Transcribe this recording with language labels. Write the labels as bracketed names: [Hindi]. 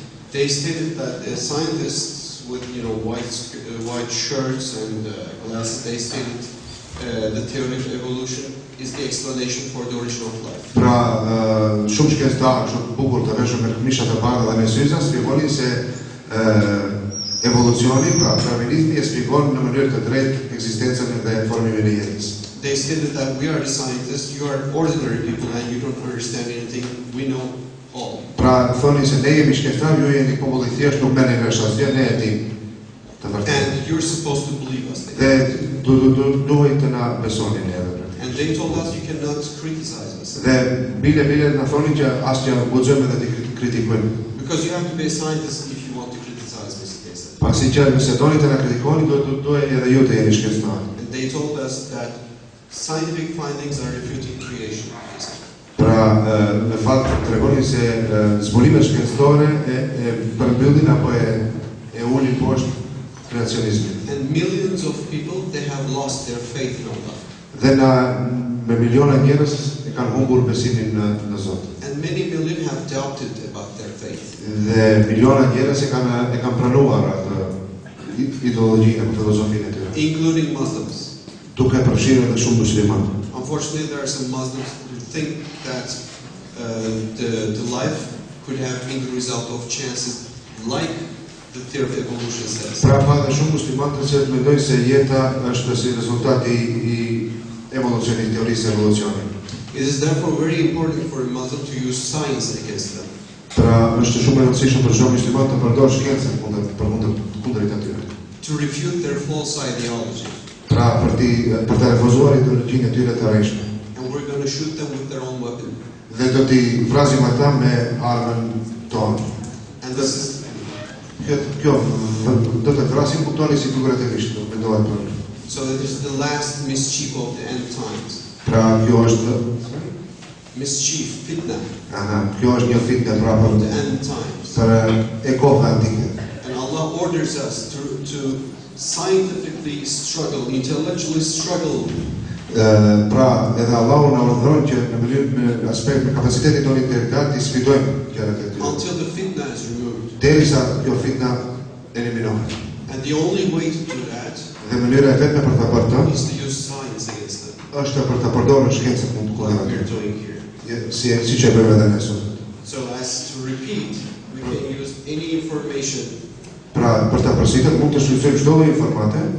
[English] they stated that the scientists with you know white white shirts and glasses they stated the theory of evolution is the explanation for the origin of life. [Albanian] Pra shumë shkencëtarë, shumë bukur të veshur me këmisha të bardha dhe me syze, shpjegonin se evolucioni, pra darwinizmi, shpjegon në mënyrë të drejtë ekzistencën dhe formimin e jetës. [English] They stated that we are the scientists, you are ordinary people and you don't understand anything, we know all. [Albanian] Pra, thoni se ne jemi shkencëtar, ju jeni popull i thjeshtë, nuk merrni vesh asgjë, ne e dimë të vërtetë. [English] And you're supposed to believe us. [Albanian] Dhe duhet të na besoni ne edhe. [English] And they told us you cannot criticize us. [Albanian] Dhe bile bile na thoni që asgjë nuk guxojmë të kritikojmë. [English] Because you have to be a scientist if you want to criticize this case. [Albanian] Pasi që nëse doni të na kritikoni, duhet edhe ju të jeni shkencëtar. [English] And they told us that scientific findings are refuting creation. [Albanian] Pra, në fakt tregoni se zbulimet shkencëtore e përmbyllin apo e ulin poshtë kreacionizmin. [English] And millions of people they have lost their faith in Allah. [Albanian] Dhe na me miliona njerëz e kanë humbur besimin në Zot. [English] And many million have doubted about their faith. [Albanian] Dhe miliona njerëz e kanë pranuar atë ideologjinë apo filozofinë e tyre. [English] Including Muslims. [Albanian] Duke përfshirë edhe shumë muslimanë. [English] Unfortunately there are some Muslims who think that the life could have been the result of chances like the theory of evolution says. [Albanian] Pra ka edhe shumë muslimanë të cilët mendojnë se jeta është si rezultati i evolucionit, teorisë evolucionit. [English] It is therefore very important for a Muslim to use science against them. [Albanian] Pra është shumë e rëndësishme për çdo musliman të përdorë shkencën kundrejt atyre. [English] To refute their false ideology. [Albanian] Pra për të refuzuar ideologjinë e tyre të rreshtme. [English] And we're going to shoot them with their own weapon. [Albanian] Dhe do t'i vrasim ata me armën tonë. [English] And this is [Albanian] kjo do të vrasim ku tonë si figurativisht, mendoj për. [English] So this is the last mischief of the end times. [Albanian] Pra kjo është [English] mischief fitna. [Albanian] Aha, kjo është një fitnë pra për [English] the end times. [Albanian] Për e kohë antike. [English] And Allah orders us to scientifically struggle, intellectually struggle. [Albanian] Pra, edhe Allahu na urdhëron që në mënyrë me aspekt me kapacitetin tonë intelektual të sfidojmë gjërat e tyre. [English] Until the fitna is removed. [Albanian] Derisa kjo fitna eliminohet. [English] And the only way to do that. [Albanian] Dhe mënyra e vetme për ta bërë këtë [English] is to use science against them. [Albanian] Është për ta përdorur shkencën mund të kuptojmë. [English] We're doing here. [Albanian] Siç e bëmë edhe ne sot. [English] So as to repeat, we can use any information. [Albanian] Pra, për ta përsëritur, mund të shfrytëzojmë çdo lloj informate.